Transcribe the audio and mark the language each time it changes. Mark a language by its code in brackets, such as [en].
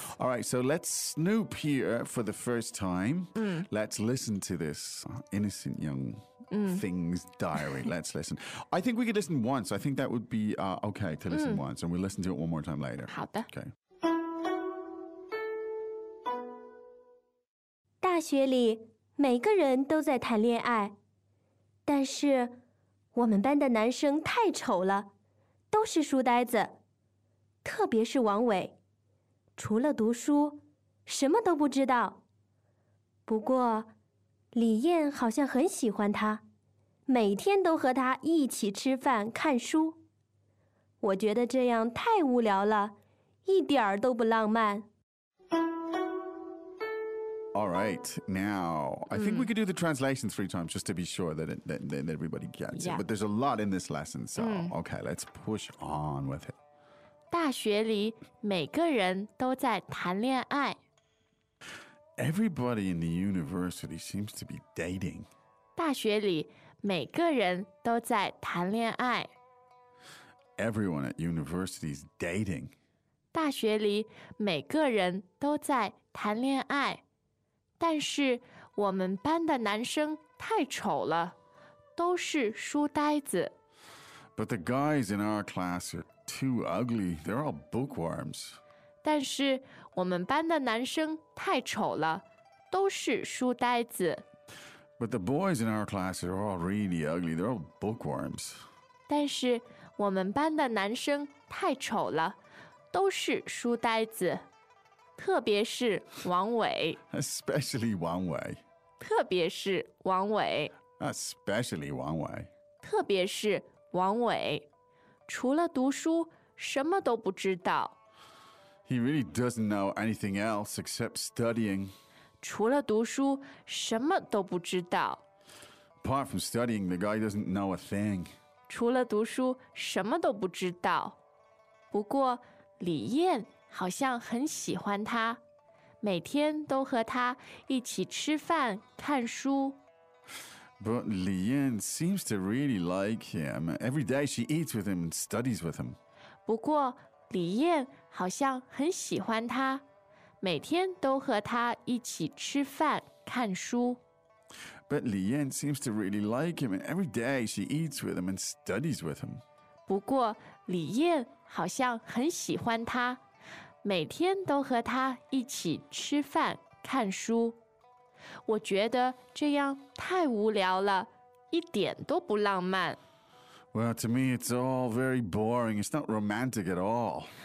[en] All right, so let's snoop here for the first time. Let's listen to this innocent young thing's diary. Let's listen. I think we could listen once. I think that would be okay to listen once. And we'll listen to it one more time later. [zh] 好的。 [en] Okay. [zh] 大学里每个人都在谈恋爱，但是我们班的男生太丑了，都是书呆子，特别是王伟，除了读书，什么都不知道。不过，李燕好像很喜欢他，每天都和他一起吃饭、看书。我觉得这样太无聊了，一点儿都不浪漫。 [en] All right, now, I think we could do the translation three times just to be sure that that everybody gets it. But there's a lot in this lesson, so okay, let's push on with it. [zh] 大学里每个人都在谈恋爱。 [en] Everybody in the university seems to be dating. [zh] 大学里每个人都在谈恋爱。 [en] Everyone at university is dating. [zh] 大学里每个人都在谈恋爱。但是我们班的男生太丑了，都是书呆子。 [en] But the guys in our class are too ugly. They're all bookworms. [zh] 但是我们班的男生太丑了，都是书呆子。 [en] But the boys in our class are all really ugly. They're all bookworms. [zh] 但是我们班的男生太丑了，都是书呆子。特别是王伟。 [en] Especially 王伟。 [zh] 特别是王伟。 [en] Especially 王伟。 [zh] 特别是王伟。除了读书，什么都不知道。 [en] He really doesn't know anything else except studying. [zh] 除了读书，什么都不知道。 [en] Apart from studying, the guy doesn't know a thing. [zh] 除了读书，什么都不知道。不过，李燕好像很喜欢他，每天都和他一起吃饭、看书。 [en] But Li Yan seems to really like him. Every day she eats with him and studies with him. [zh] 不过李燕好像很喜欢他，每天都和他一起吃饭、看书。 [en] But Li Yan seems to really like him, and every day she eats with him and studies with him. [zh] 不过李燕好像很喜欢他。每天都和他一起吃饭、看书，我觉得这样太无聊了，一点都不浪漫。 [en] Well, to me, it's all very boring. It's not romantic at all.